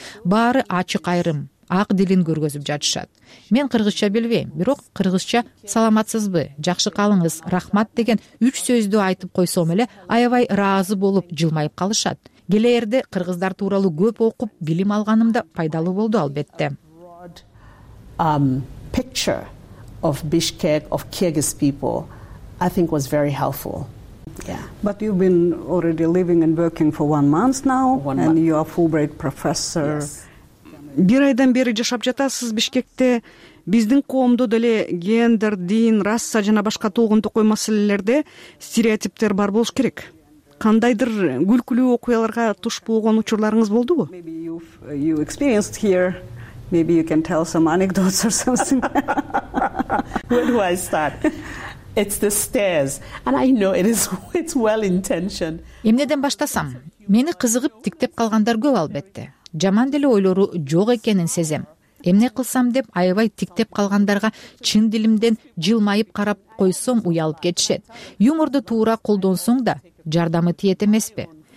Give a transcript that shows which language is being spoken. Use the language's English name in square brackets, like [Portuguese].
[Kyrgyz] Баары ачык айрым, ак дилин көргөзүп жатышат. Мен кыргызча билбейм, бирок кыргызча саламатсызбы, жакшы калыңыз, рахмат деген үч сөздү айтып койсом эле аябай ыраазы болуп жылмайып калышат. Келээрде кыргыздар тууралуу көп окуп, билим алганым да пайдалуу болду албетте. [English] Picture of Bishkek of Kyrgyz people I think was very helpful. Yeah. But you've been already living and working for 1 month now and you are Fulbright professor. Yes. [Kyrgyz] Бир айдан бери жашап жатасыз Бишкекте. Биздин коомдо деле гендер, дин, раса жана башка толгондук маселелерде стереотиптер бар болуш керек. Кандайдыр күлкүлүү окуяларга туш болгон учурларыңыз болдубу? [English] You experienced here. Maybe you can tell some anecdotes or something. Where do I start? It's the stairs. And I know it's well intentioned. [Kyrgyz] Эмнеден баштасам? Мени кызыгып тиктеп калгандар көп албетте. Жаман деле ойлору жок экенин сезем. Эмне кылсам деп аябай тиктеп калгандарга чын дилимден жылмайып карап койсом уялып кетишет. Юморду туура колдонсоң да жардамы тиет эмеспи?